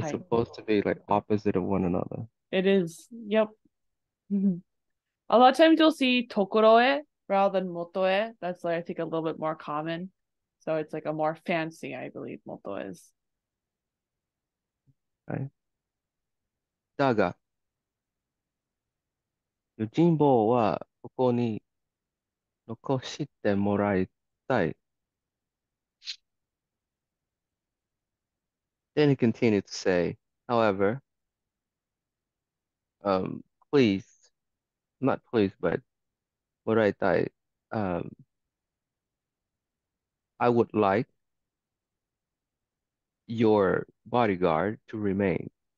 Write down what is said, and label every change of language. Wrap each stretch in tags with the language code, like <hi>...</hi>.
<en>Hi. supposed to be like opposite of one another. It is. Yep. A lot of times you'll see tokoroe rather than motoe. That's like I think a little bit more common. So it's like a more fancy, I believe, motoe is.</en> <ja>だが、用心棒はここに残してもらいたい。</ja> <en>Then he continued to say, however, please, not please, but</en> <ja>もらいたい。</ja> <en>I would like your bodyguard to remain</en>